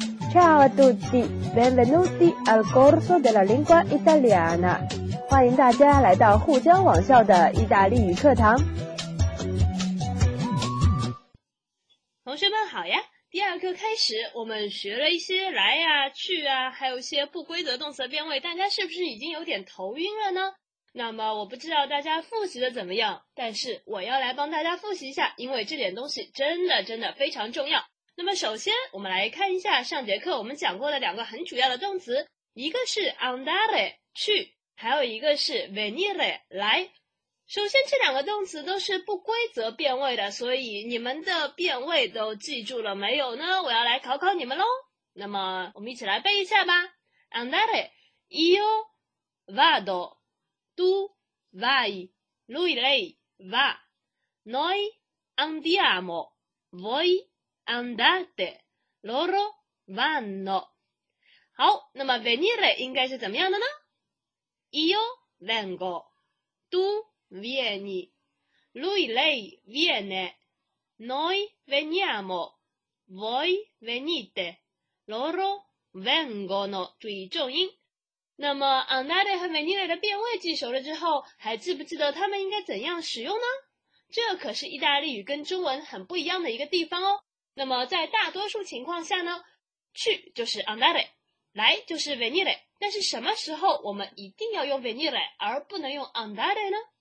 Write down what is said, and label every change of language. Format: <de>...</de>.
<it>Ciao a tutti, benvenuti al corso della lingua italiana.</it> <zh>欢迎大家来到沪江网校的意大利语课堂。同学们好呀，第二课开始，我们学了一些来啊、去啊，还有一些不规则动词变位，大家是不是已经有点头晕了呢？那么我不知道大家复习的怎么样，但是我要来帮大家复习一下，因为这点东西真的非常重要。那么首先我们来看一下上节课我们讲过的两个很主要的动词，一个是 andare 去，还有一个是 venire 来。首先这两个动词都是不规则变位的，所以你们的变位都记住了没有呢？我要来考考你们咯。那么我们一起来背一下吧。</zh> <it>andare io vado tu vai lui lei va noi andiamo voiAndate, loro vanno.</it> <zh>好，那么 venire 应该是怎么样的呢？</zh> <it>Io vengo, tu vieni, lui lei viene, noi veniamo, voi venite, loro vengono.</it> <zh>注意重音。那么 andare 和 venire 的变位记熟了之后，还记不记得他们应该怎样使用呢？这可是意大利语跟中文很不一样的一个地方哦。那么在大多数情况下呢，去就是 andare, 来就是 venire, 但是什么时候我们一定要用 venire 而不能用 andare 呢？</zh>